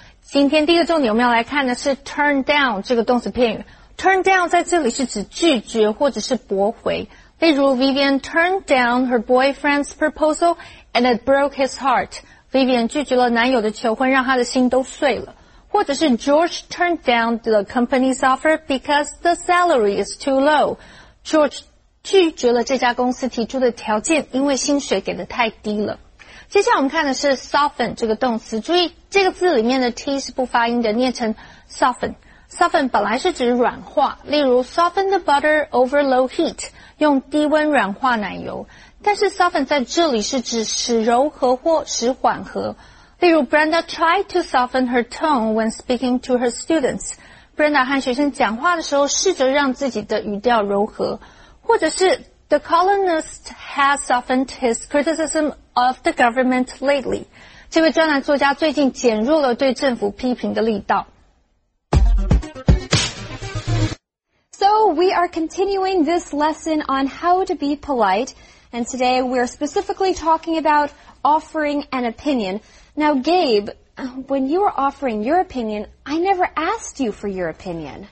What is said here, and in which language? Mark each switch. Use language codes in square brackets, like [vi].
[zh] 今天第一个重点我们要来看的是 turn down 这个动词片语。 turn down 在这里是指拒绝或者是驳回。例如 [en] Vivian turned down her boyfriend's proposal and it broke his heart. [zh] Vivian 拒绝了男友的求婚让他的心都碎了。或者是 [en] George turned down the company's offer because the salary is too low. [zh] George 拒绝了这家公司提出的条件因为薪水给的太低了。接下来我们看的是 soften 这个动词，注意这个字里面的 t 是不发音的，念成 soften。 soften 本来是指软化，例如 [en] soften the butter over low heat， [zh] 用低温软化奶油。但是 soften 在这里是指使柔和或使缓和。例如 [en] Brenda tried to soften her tone when speaking to her students。 [zh] Brenda 和学生讲话的时候，试着让自己的语调柔和，或者是。 [en] The columnist has softened his criticism of the government lately. [zh] 这位专栏作家最近减弱了对政府批评的力道。 [en] So we are continuing this lesson on how to be polite, and today we are specifically talking about offering an opinion. Now, Gabe, when you were offering your opinion, I never asked you for your opinion.